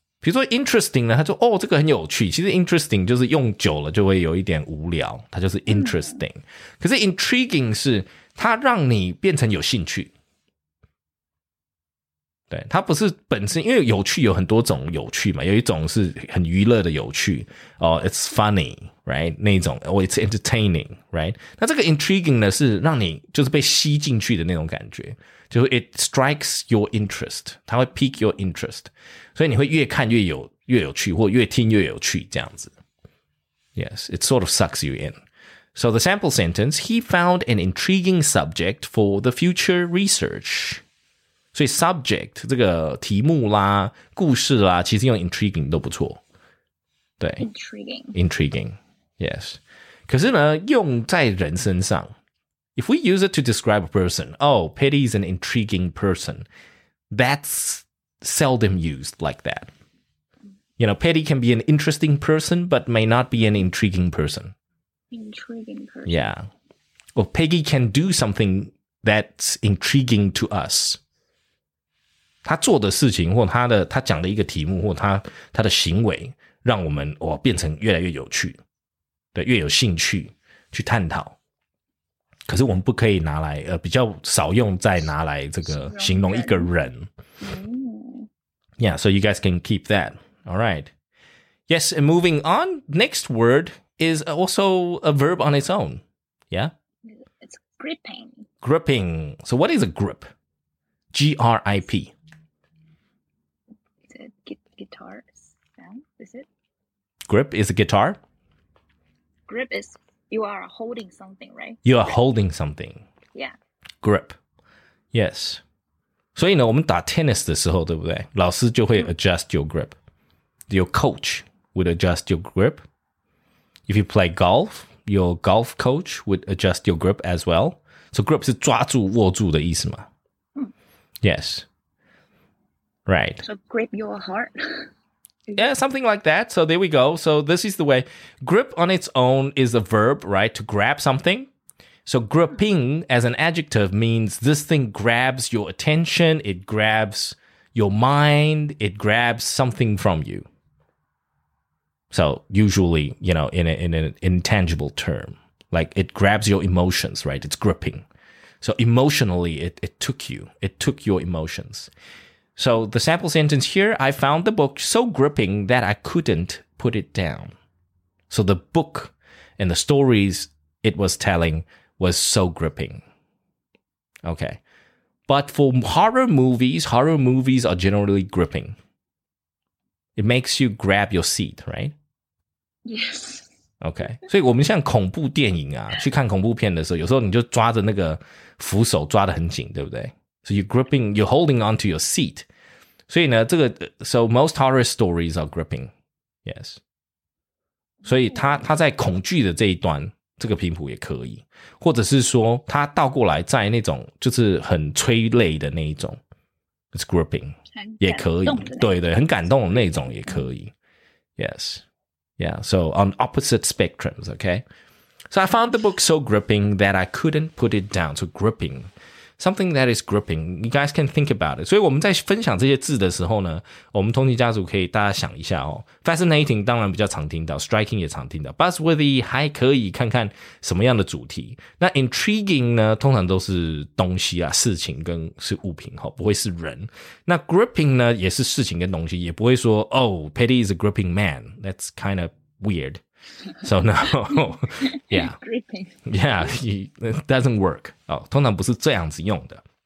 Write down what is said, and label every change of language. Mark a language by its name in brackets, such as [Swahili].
[Chinese] 比如说 interesting 呢，他说哦，这个很有趣。其实 interesting 就是用久了就会有一点无聊，它就是 interesting。可是 intriguing 是它让你变成有兴趣。对，它不是本身，因为有趣有很多种有趣嘛，有一种是很娱乐的有趣，哦、， [English] it's funny， right？ [Chinese] 那一种，哦、， [English] it's entertaining， right？ [Chinese] 那这个 intriguing 呢，是让你就是被吸进去的那种感觉，就是 [English] it strikes your interest， [Chinese] 它会 [English] pique your interest， [Chinese] 所以你会越看越有趣，或越听越有趣这样子。 [English] Yes， it sort of sucks you in. So the sample sentence: He found an intriguing subject for the future research. [Chinese] 所以 subject 这个题目啦故事啦其实用 intriguing 都不错。对。 [English] intriguing。 intriguing, yes. [Chinese] 可是呢用在人身上。 [English] If we use it to describe a person, oh, Patty is an intriguing person, that's seldom used like that. You know, Patty can be an interesting person, but may not be an intriguing person. intriguing person. Yeah. Well, Peggy can do something that's intriguing to us. [Chinese] 他做的事情或他讲的一个题目或他的行为让我们哇变成越来越有趣对越有兴趣去探讨。可是我们不可以拿来比较少用再拿来这个形容一个人。 [English] Yeah, so you guys can keep that. All right. Yes, and moving on, next word is also a verb on its own. Yeah? It's gripping. Gripping. So what is a grip? G-R-I-P. Guitar, is it? Grip is a guitar? Grip is, you are holding something, right? You are holding something. Yeah. Grip. Yes. [Chinese] 所以呢我们打 tennis 的时候对不对老师就会 [English] adjust your grip. Your coach would adjust your grip. If you play golf, your golf coach would adjust your grip as well. [Chinese] So grip 是抓住握住的意思嘛、Yes. [English] Right. So grip your heart. Yeah, something like that. So there we go. So this is the way. Grip on its own is a verb, right? To grab something. So gripping as an adjective means this thing grabs your attention. It grabs your mind. It grabs something from you. So usually, you know, in an intangible term, like it grabs your emotions, right? It's gripping. So emotionally, it took you. It took your emotions. So the sample sentence here, I found the book so gripping that I couldn't put it down. So the book and the stories it was telling was so gripping. Okay. But for horror movies are generally gripping. It makes you grab your seat, right? Yes. Okay. [Chinese] 所以我们像恐怖电影啊，去看恐怖片的时候，有时候你就抓着那个扶手抓得很紧，对不对？ [English] So you're gripping, you're holding onto your seat. [Chinese] 所以呢，这个 [English] So most horror stories are gripping. Yes. [Chinese] 所以他在恐惧的这一端，这个频谱也可以，或者是说他倒过来在那种就是很催泪的那一种 [English] It's gripping. [Chinese] 也可以，对对，很感动的那种也可以。 [English] Yes. Yeah, so on opposite spectrums, okay? So I found the book so gripping that I couldn't put it down. So gripping, something that is gripping. You guys can think about it. [Chinese] 所以我们在分享这些字的时候呢，我们通勤家族可以大家想一下哦。 Fascinating 当然比较常听到 ,striking 也常听到 ,buzzworthy 还可以看看什么样的主题。那 intriguing 呢通常都是东西啊事情跟是物品哦不会是人。那 gripping 呢也是事情跟东西也不会说 , [English] oh, Patty is a gripping man. That's kind of weird. So no, yeah. Yeah, it doesn't work.、 [Chinese] 哦、通常不是这样子用的。